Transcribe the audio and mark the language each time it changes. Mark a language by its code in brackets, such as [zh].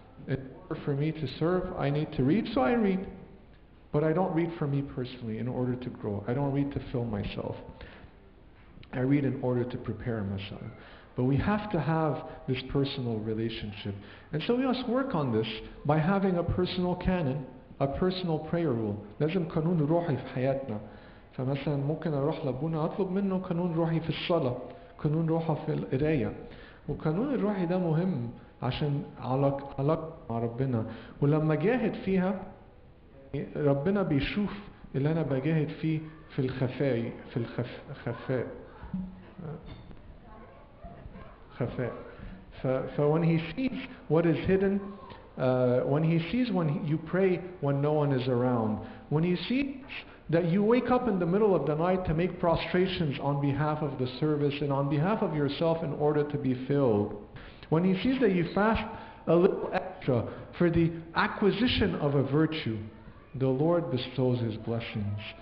[en] In order for me to serve I need to read so I read but I don't read for me personally in order to grow. I don't read to fill myself. I read in order to prepare myself. But we have to have this personal relationship. And so we must work on this by having a personal canon, a personal prayer rule. [ar] لازم قانون روحي في حياتنا. فمثلا ممكن اروح لابونا اطلب منه قانون روحي في الصلاة, قانون روحي في القراية. وقانون الروحي ده مهم عشان علاقة مع ربنا. ولما جاهد فيها, ربنا بيشوف اللي انا بجاهد فيه في الخفاء, في الخفاء. خفاء. [en] So when he sees what is hidden, when he sees when you pray when no one is around, when he sees that you wake up in the middle of the night to make prostrations on behalf of the service and on behalf of yourself in order to be filled, when he sees that you fast a little extra for the acquisition of a virtue, the Lord bestows his blessings.